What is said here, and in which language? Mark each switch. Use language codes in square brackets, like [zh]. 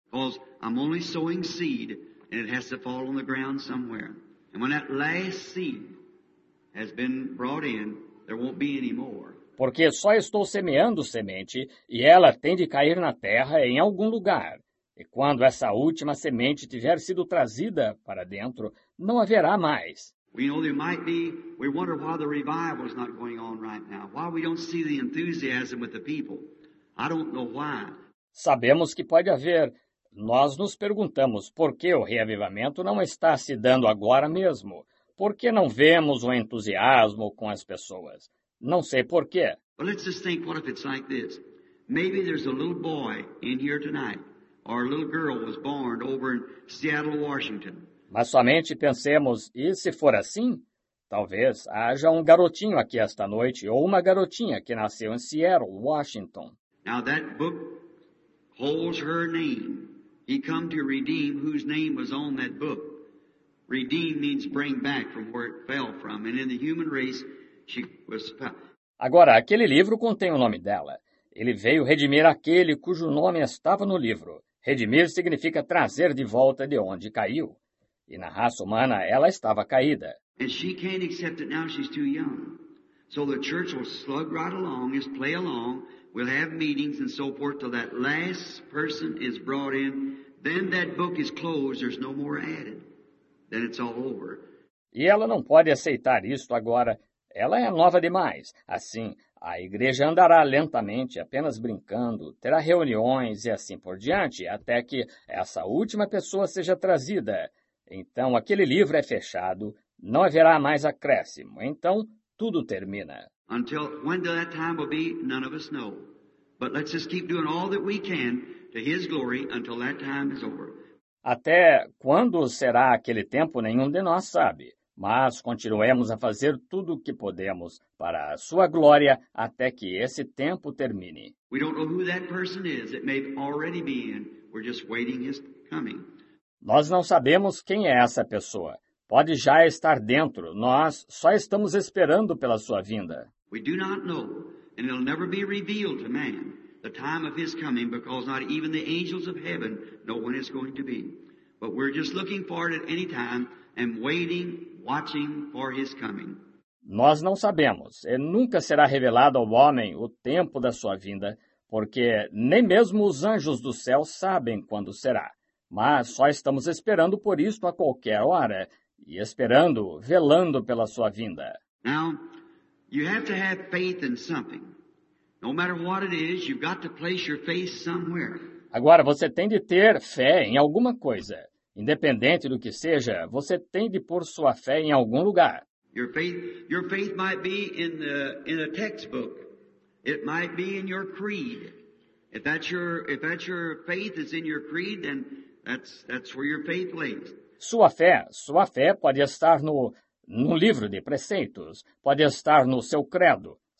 [en] Because I'm only sowing seed, and it has to fall on the ground somewhere. And when that last seed has been brought in, there won't be any more. [pt] Porque só estou semeando semente, e ela tem de cair na terra em algum lugar. E quando essa última semente tiver sido trazida para dentro, não haverá mais. [en] We know there might be, we wonder why the revival is not going on right now, why we don't see the enthusiasm with the people. I don't know why. [pt] Sabemos que pode haver. Nós nos perguntamos por que o reavivamento não está se dando agora mesmo. Por que não vemos o entusiasmo com as pessoas? Não sei por quê. [en] Well, let's just think, what if it's like this? Maybe there's a little boy in here tonight, or a little girl was born over in Seattle, Washington. [pt] Mas somente pensemos, e se for assim? Talvez haja um garotinho aqui esta noite, ou uma garotinha que nasceu em Seattle, Washington. [en] Now that book holds her name. He come to redeem whose name was on that book. Redeem means bring back from where it fell from. And in the human race, she was found. [pt] Agora, aquele livro contém o nome dela. Ele veio redimir aquele cujo nome estava no livro. Redimir significa trazer de volta de onde caiu. E na raça humana, ela estava caída. [en] And she can't accept it now, she's too young. So the church will slug right along, just play along. We'll have meetings and so forth till that last person is brought in. Then that book is closed, there's no more added. Then it's all over. [pt] E ela não pode aceitar isto agora. Ela é nova demais. Assim, a igreja andará lentamente, apenas brincando, terá reuniões e assim por diante, até que essa última pessoa seja trazida. Então, aquele livro é fechado, não haverá mais acréscimo. Então, tudo termina. [en] Until when that time will be, none of us know. But let's just keep doing all that we can to His glory until that time is over. [pt] Até quando será aquele tempo, nenhum de nós sabe. Mas continuemos a fazer tudo o que podemos para a sua glória até que esse tempo termine. [en] We don't know who that person is. It may already be in. We're just waiting His coming. [pt] Nós não sabemos quem é essa pessoa. Pode já estar dentro. Nós só estamos esperando pela sua vinda. [en] We do not know, and it'll never be revealed to man, the time of His coming, because not even the angels of heaven know when it's going to be. But we're just looking for it at any time and waiting, watching for His coming. [pt] Nós não sabemos, e nunca será revelado ao homem o tempo da sua vinda, porque nem mesmo os anjos do céu sabem quando será. Mas só estamos esperando por isto a qualquer hora, e esperando, velando pela sua vinda. [en] Now, you have to have faith in something. No matter what it is, you've got to place your faith somewhere. [pt] Agora, você tem de ter fé em alguma coisa. Independente do que seja, você tem de pôr sua fé em algum lugar. [en] Your faith might be in a textbook. It might be in your creed. If that's your faith is in your creed, then that's where your faith lays. [pt] Sua fé pode estar no livro de preceitos, pode estar no seu credo.